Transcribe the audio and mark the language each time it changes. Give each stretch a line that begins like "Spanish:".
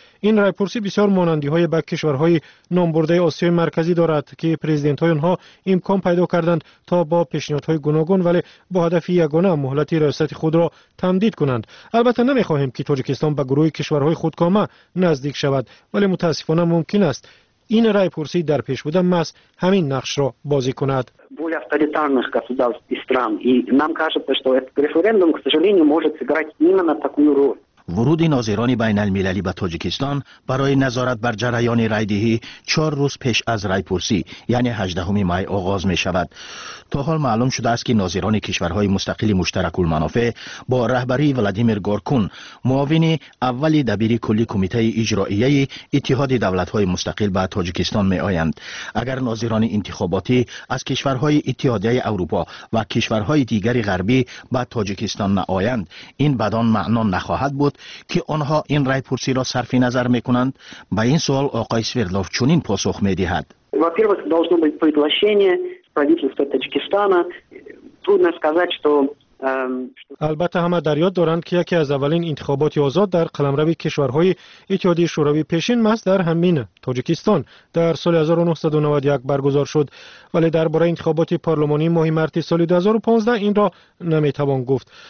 Persian: این رای پرسی بسیار مانندی های به کشورهای نامبرده آسیای مرکزی دارد که پرزیدنت های آنها امکان پیدا کردند تا با پیشنهادهای گوناگون ولی با هدف یگانه مهلت ریاست خود را تمدید کنند. البته نمیخواهیم که تاجیکستان به گروه کشورهای خودکامه نزدیک شود، ولی متاسفانه ممکن است این رای پرسی در پیش بوده ماست همین نقش را بازی کند.
Russian: Более авторитарных государств и стран. И нам кажется, что этот референдум, к сожалению, может сыграть именно такую роль.
Persian: ورود ناظران بین المللی به تاجیکستان برای نظارت بر جریان رایدهی 4 روز پیش از رای پرسی یعنی 18 می آغاز می شود. تا حال معلوم شده است که ناظران کشورهای مستقل مشترک المنافع با رهبری ولادیمیر گورکون، معاون اول دبیر کلی کمیته اجرائیه اتحاد دولت‌های مستقل به تاجیکستان می آیند. اگر ناظران انتخاباتی از کشورهای اتحادیه اروپا و کشورهای دیگر غربی به تاجیکستان نآیند، این بدان معنا نخواهد بود که آنها این رای پرسی را صرف نظر می کنند. به این سوال آقای سویردلوف چنین پاسخ می دهد.
Russian: Во-первых, должно быть предложение правительства Таджикистана. Трудно сказать, что
Persian: البته همه در یاد دارند که یکی از اولین انتخابات آزاد در قلمرو کشورهای اتحادیه شوروی پیشین ماست در همین تاجیکستان در سال 1991 برگزار شد، ولی درباره انتخابات پارلمانی ماه مارس سال 2015 این را نمیتوان گفت.